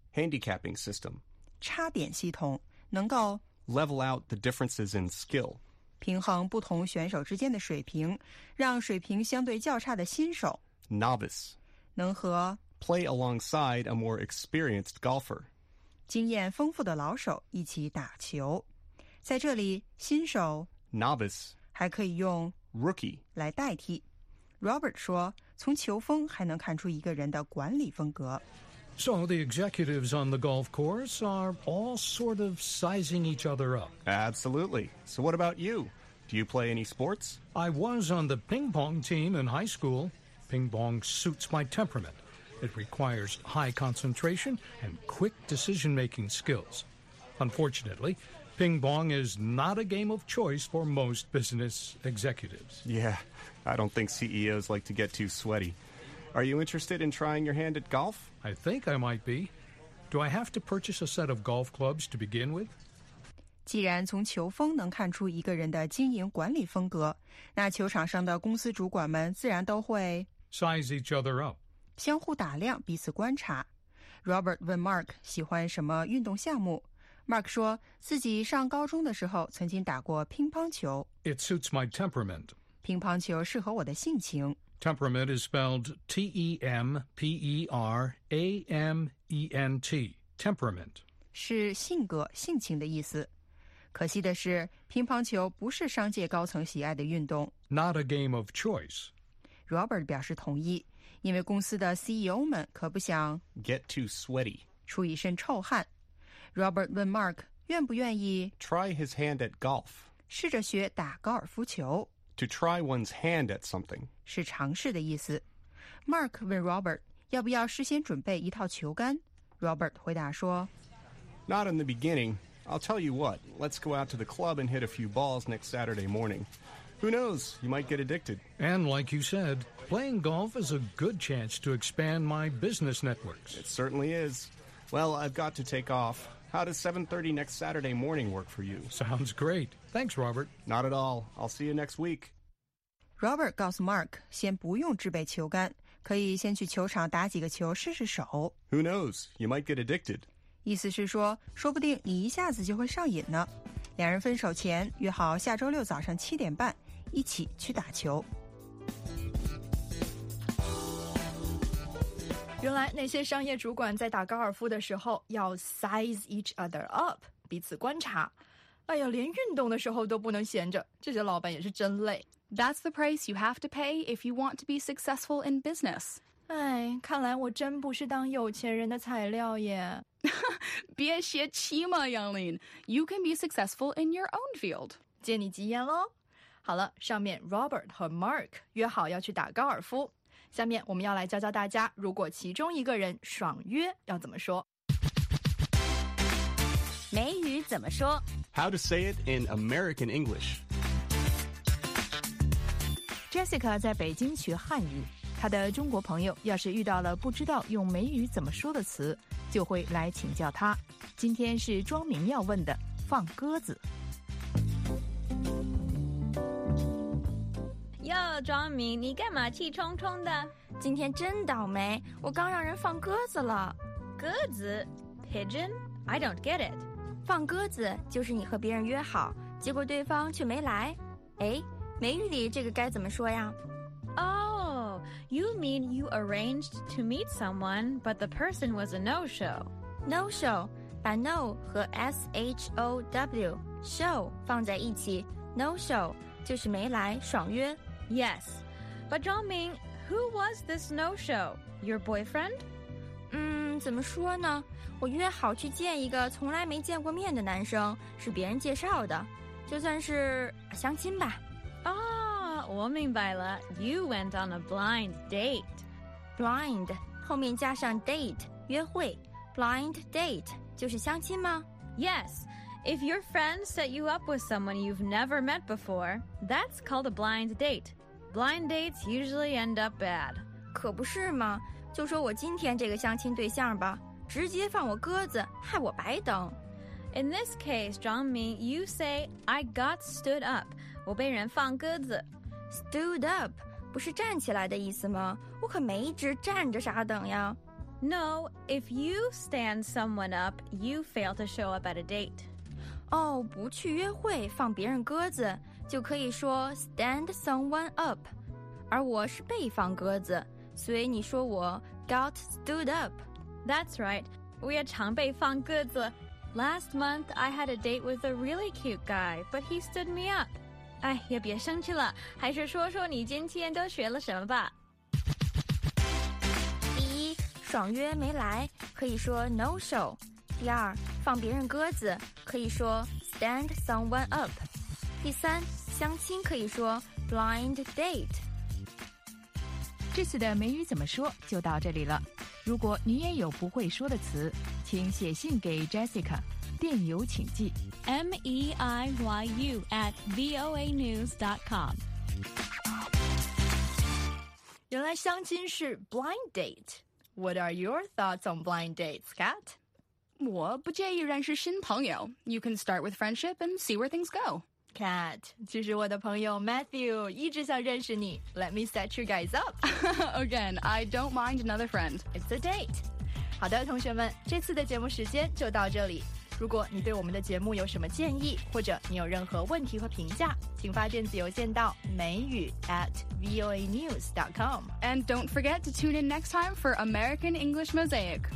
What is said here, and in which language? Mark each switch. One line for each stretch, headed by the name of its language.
English: handicapping system.
Chinese: 差点系统能够
English: level out the differences in skill.
Chinese: 平衡不同选手之间的水平让水平相对较差的新手
English: Novice
Chinese: 能和
English: Play alongside a more experienced golfer
Chinese: 经验丰富的老手一起打球在这里新手
English: Novice
Chinese: 还可以用
English: Rookie
Chinese: 来代替 Robert 说从球风还能看出一个人的管理风格
English: So the executives on the golf course are all sort of sizing each other up. Absolutely. So what about you? Do you play any sports? I was on the ping pong team in high school. Ping pong suits my temperament. It requires high concentration and quick decision-making skills. Unfortunately, ping pong is not a game of choice for most business executives. Yeah, I don't think CEOs like to get too sweaty. Are you interested in trying your hand at golf? I think I might be. Do I have to purchase a set of golf clubs to begin with?
Chinese: 既然从球风能看出一个人的经营管理风格，那球场上的公司主管们自然都会
English: size each other up.
Chinese: 相互打量，彼此观察。 Robert 问 Mark 喜欢什么运动项目。Mark 说自己上高中的时候曾经打过乒乓球。
English: It suits my temperament.
Chinese: 乒乓球适合我的性情。
English: Temperament is spelled T-E-M-P-E-R-A-M-E-N-T, temperament.
Chinese: 是性格、性情的意思。可惜的是，乒乓球不是商界高层喜爱的运动。
English: Not a game of choice.
Chinese: Robert 表示同意，因为公司的 CEO 们可不想
English: get too sweaty.
Chinese: 出一身臭汗。 Robert 问 Mark 愿不愿意
English: try his hand at golf.
Chinese: 试着学打高尔夫球。
English: To try one's hand at something.
Chinese: 是尝试的意思。 Mark 问 Robert, 要不要事先准备一套球杆? Robert 回答说,
English: Not in the beginning. I'll tell you what. Let's go out to the club and hit a few balls next Saturday morning. Who knows? You might get addicted. And like you said, playing golf is a good chance to expand my business networks. It certainly is. Well, I've got to take off. How does 7:30 next Saturday morning work for you? Sounds great. Thanks, Robert. Not at all. I'll see you next week.
Chinese: Robert 告诉 Mark 先不用制备球杆，可以先去球场打几个球试试手。
English: Who knows? You might get addicted.
Chinese: 意思是说，说不定你一下子就会上瘾呢。两人分手前约好下周六早上7:30一起去打球。原来那些商业主管在打高尔夫的时候要
English: size each other up,
Chinese: 彼此观察。哎呀，连运动的时候都不能闲着，这些老板也是真累。
English: That's the price you have to pay if you want to be successful in business.
Chinese: 哎，看来我真不是当有钱人的材料耶。别泄气嘛，杨林。
English: You can be successful in your own field.
Chinese: 借你吉言喽。好了，上面 Robert 和 Mark 约好要去打高尔夫。下面我们要来教教大家，如果其中一个人爽约要怎么说。美语怎么说
English: ？How to say it in American English?
Chinese: Jessica 在北京学汉语，她的中国朋友要是遇到了不知道用美语怎么说的词，就会来请教她。今天是庄明要问的，放鸽子。哟，庄明，你干嘛气冲冲的？今天真倒霉，我刚让人放鸽子了。
English: 鸽子 ？Pigeon? I don't get it.
Chinese: 放鸽子就是你和别人约好，结果对方却没来。哎，美语里这个该怎么说呀
English: ？Oh, you mean you arranged to meet someone, but the person was a no-show.
Chinese: No-show， 把 no 和 show show 放在一起 ，no-show 就是没来，爽约。
English: Yes, but Zhang Ming, who was this no-show? Your boyfriend?
Chinese: 怎么说呢？我约好去见一个从来没见过面的男生，是别人介绍的，就算是相亲吧。我明白了。
English: You went on a blind date.
Chinese: Blind 后面加上 date 约会 ，blind date 就是相亲吗
English: ？Yes. If your friend set you up with someone you've never met before, that's called a blind date. Blind dates usually end up bad.
Chinese: 可不是吗？就说我今天这个相亲对象吧，直接放我鸽子，害我白等。
English: In this case, Zhang Ming, you say, I got stood up.
Chinese: 我被人放鸽子。 Stood up 不是站起来的意思吗？我可没一直站着傻等呀。
English: No, if you stand someone up, you fail to show up at a date.
Chinese: 哦，不去约会放别人鸽子，就可以说
English: stand someone up，
Chinese: 而我是被放鸽子，所以你说我 got stood up。
English: That's right，
Chinese: 我也常被放鸽子。
English: Last month I had a date with a really cute guy， but he stood me up。
Chinese: 哎，也别生气了，还是说说你今天都学了什么吧。第一，爽约没来，可以说 no show。第二，放别人鸽子可以说 stand someone up。第三，相亲可以说 blind date。这次的美语怎么说就到这里了。如果你也有不会说的词，请写信给 Jessica， 电邮请寄 meiyu@voanews.com。原来相亲是 blind date。
English: What are your thoughts on blind dates, Kat?
Chinese: 我不介意认识新朋友。
English: You can start with friendship and see where things go.
Chinese: Kat, 其实我的朋友 Matthew 一直想认识你。
English: Let me set you guys up. Again, I don't mind another friend. It's a date.
Chinese: 好的，同学们，这次的节目时间就到这里。如果你对我们的节目有什么建议，或者你有任何问题和评价，请发电子邮件到美语@voanews.com.
English: And don't forget to tune in next time for American English Mosaic.